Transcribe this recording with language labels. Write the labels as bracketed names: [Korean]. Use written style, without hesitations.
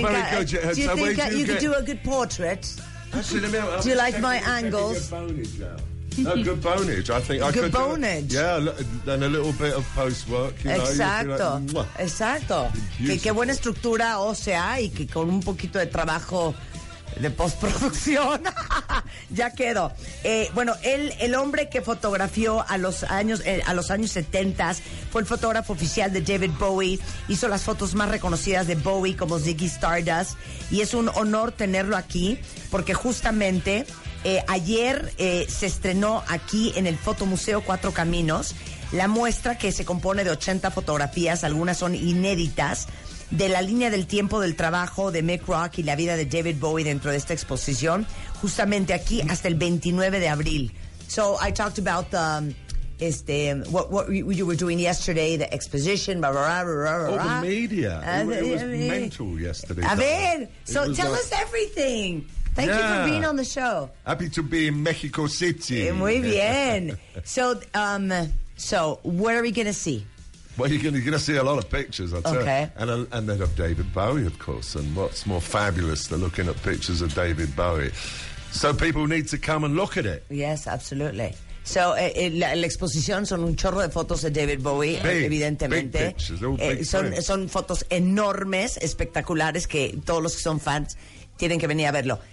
[English] Do you think you could do a good portrait? Do you like my angles? Good boneage. Yeah, and a little bit of post-work. Exacto. [Spanish] Qué buena estructura ósea y que con un poquito de trabajo de postproducción. Ya quedo. Bueno, el hombre que fotografió a los años 70 fue el fotógrafo oficial de David Bowie. Hizo las fotos más reconocidas de Bowie, como Ziggy Stardust. Y es un honor tenerlo aquí, porque justamente ayer se estrenó aquí en el Fotomuseo Cuatro Caminos la muestra, que se compone de 80 fotografías, algunas son inéditas, de la línea del tiempo del trabajo de Mick Rock y la vida de David Bowie dentro de esta exposición, justamente aquí hasta el 29 de abril. [English] So I talked about what you were doing yesterday, the exposition, blah, blah, blah, blah, blah. Oh, the media. It was mental yesterday. Tell us everything. Thank you for being on the show. Happy to be in Mexico City. [Spanish] Muy bien. [English] So what are we going to see? Well, you're going to see a lot of pictures, I'll tell you. Okay. And then of David Bowie, of course. And what's more fabulous than looking at pictures of David Bowie? So people need to come and look at it. Yes, absolutely. [Spanish] So la exposición son un chorro de fotos de David Bowie, evidentemente. Son fotos enormes, espectaculares, que todos los que son fans tienen que venir a verlo.